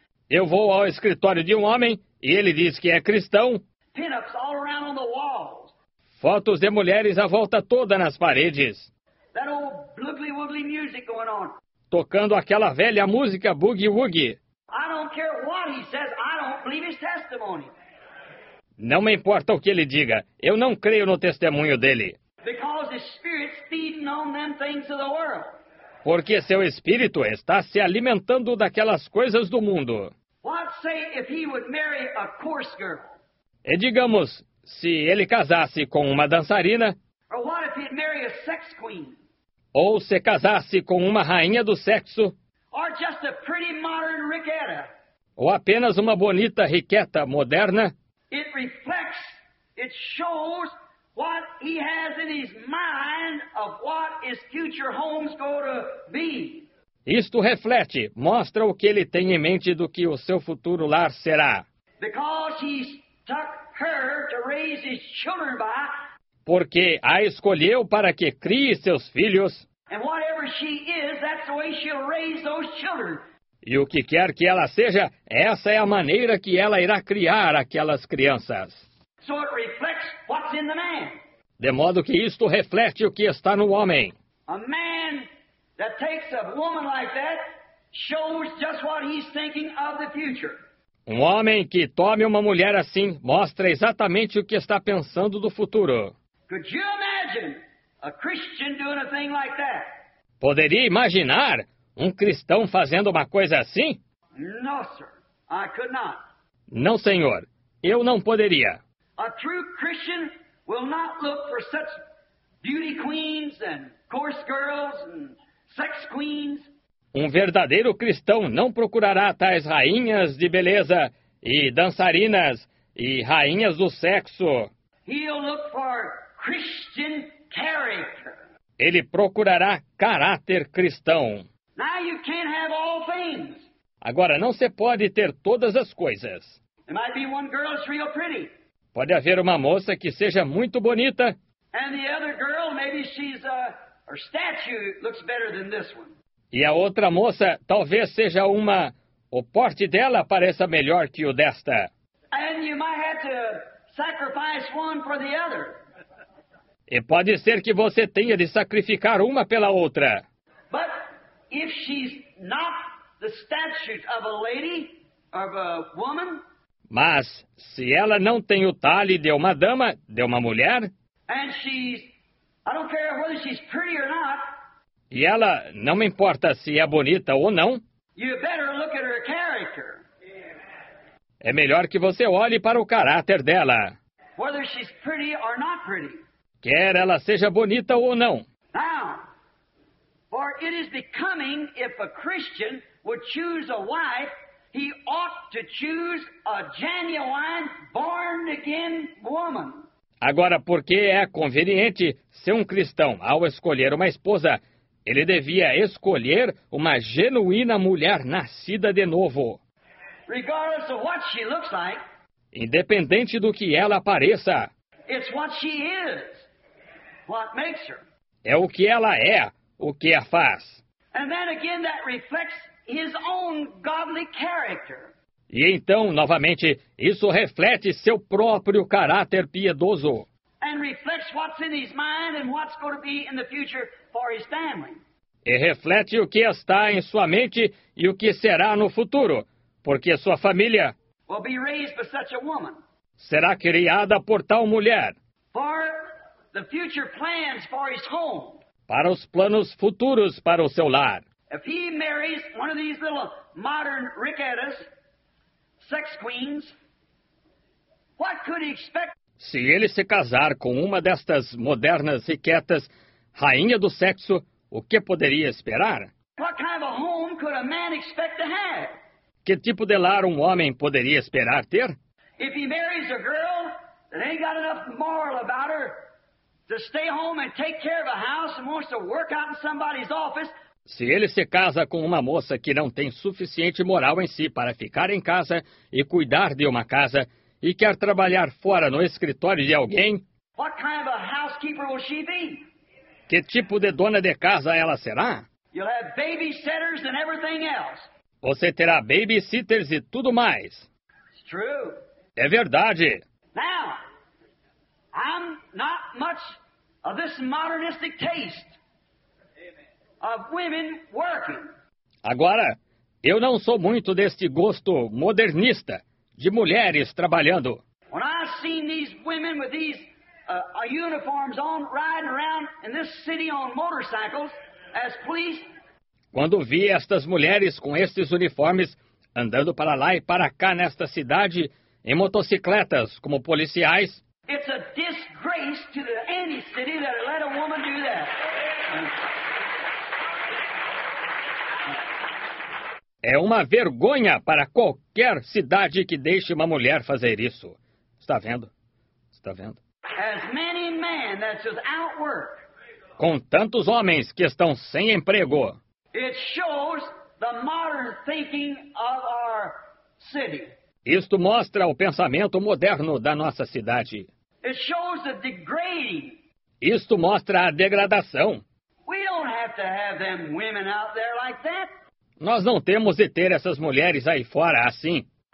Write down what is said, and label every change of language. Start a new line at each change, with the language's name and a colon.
Portuguese: Eu vou ao escritório de um homem e ele diz que é cristão.
English: Pin-ups all around on the walls.
Portuguese: Fotos de mulheres à volta toda nas paredes.
English: That old boogly-woogly music going on.
Portuguese: Tocando aquela velha música boogie-woogie.
English: I don't care what he says, I don't believe his testimony.
Portuguese: Não me importa o que ele diga, eu não creio no testemunho dele.
English: Because his spirit's feeding on them things of the world.
Portuguese: Porque seu espírito está se alimentando daquelas coisas do mundo.
English: What say if he would marry a coarse girl?
Portuguese: E digamos, se ele casasse com uma dançarina.
English: Or what if he'd marry a sex queen?
Portuguese: Ou se casasse com uma rainha do sexo.
English: Or just a pretty modern Ricketta.
Portuguese: Ou apenas uma bonita Ricketta moderna.
English: It reflects, it shows what he has in his mind of what his future home's going to be.
Portuguese: Isto reflete, mostra o que ele tem em mente do que o seu futuro lar será.
English: Because he's took her to raise his children by.
Portuguese: Porque a escolheu para que crie seus filhos.
English: And whatever she is, that's the way she'll raise those children.
Portuguese: E o que quer que ela seja, essa é a maneira que ela irá criar aquelas crianças.
English: So it reflects what's in the man.
Portuguese: De modo que isto reflete o que está no homem.
English: A man that takes a woman like that shows just what he's thinking of the future.
Portuguese: Um homem que tome uma mulher assim mostra exatamente o que está pensando do futuro.
English: Could you imagine a Christian doing a thing like that?
Portuguese: Poderia imaginar um cristão fazendo uma coisa assim?
English: No, sir, I could not.
Portuguese: Não, senhor, eu não poderia.
English: A true Christian will not look for such beauty queens and coarse girls and sex queens.
Portuguese: Um verdadeiro cristão não procurará tais rainhas de beleza e dançarinas e rainhas do sexo.
English: He'll look for Christian character.
Portuguese: Ele procurará caráter cristão.
English: Now you can't have all things.
Portuguese: Agora não se pode ter todas as coisas.
English: There might be one girl that's real pretty.
Portuguese: Pode haver uma moça que seja muito bonita.
English: And the other girl, maybe she's her statue looks better than this one.
Portuguese: E a outra moça, talvez seja uma... O porte dela pareça melhor que o desta.
English: And you might have to sacrifice one for the other.
Portuguese: E pode ser que você tenha de sacrificar uma pela outra.
English: But if she's not the statue of a lady, of a woman...
Portuguese: Mas se ela não tem o talhe de uma dama, de uma mulher...
English: And she's... I don't care whether she's pretty or not...
Portuguese: E ela, não me importa se é bonita ou não.
English: You better look at her character.
Portuguese: É melhor que você olhe para o caráter dela.
English: Whether she's pretty or not pretty.
Portuguese: Quer ela seja bonita ou não.
English: Now, for it is becoming if a Christian would choose a wife, he ought to choose a genuine, born again woman.
Portuguese: Agora, porque é conveniente ser um cristão ao escolher uma esposa, ele devia escolher uma genuína mulher nascida de novo.
English: Regardless of what she looks like,
Portuguese: independente do que ela pareça,
English: it's what she is, what makes her.
Portuguese: É o que ela é, o que a faz.
English: And then again, that reflects his own godly character.
Portuguese: E então, novamente, isso reflete seu próprio caráter piedoso.
English: And reflects what's in his mind and what's going to be in the future for his family.
Portuguese: E reflete o que está em sua mente e o que será no futuro, porque sua família
English: will be raised by such a woman.
Portuguese: Será criada por tal mulher.
English: For the future plans for his home.
Portuguese: Para os planos futuros para o seu lar.
English: If he marries one of these little modern Ricketta's, sex queens, what could he expect?
Portuguese: Se ele se casar com uma destas modernas riquetas, rainha do sexo, o que poderia esperar?
English: What kind of a home could a man expect to have?
Portuguese: Que tipo de lar um homem poderia esperar ter?
English: If he marries a girl that ain't got enough moral about her to stay home and take care of a house and wants to work out in somebody's office.
Portuguese: Se ele se casa com uma moça que não tem suficiente moral em si para ficar em casa e cuidar de uma casa e quer trabalhar fora no escritório de alguém,
English: what kind of a housekeeper will she be?
Portuguese: Que tipo de dona de casa ela será?
English: You'll have babysitters and everything else.
Portuguese: Você terá babysitters e tudo mais.
English: It's true.
Portuguese: É verdade.
English: Now, I'm not much of this modernistic taste. Of women working.
Portuguese: Agora, eu não sou muito deste gosto modernista de mulheres trabalhando.
English: When I seen these women with these uniforms on riding around in this city on motorcycles as police.
Portuguese: Quando vi estas mulheres com estes uniformes andando para lá e para cá nesta cidade em motocicletas como policiais.
English: It's a disgrace to the any city that let a woman do that.
Portuguese: É uma vergonha para qualquer cidade que deixe uma mulher fazer isso. Está vendo? Está vendo?
English: As many men that's without work.
Portuguese: Com tantos homens que estão sem emprego.
English: It shows the modern thinking of our city.
Portuguese: Isto mostra o pensamento moderno da nossa cidade.
English: It shows the degrading.
Portuguese: Isto mostra a degradação.
English: We don't have to have them women out there like that.
Portuguese: Nós não temos de ter essas mulheres aí fora assim.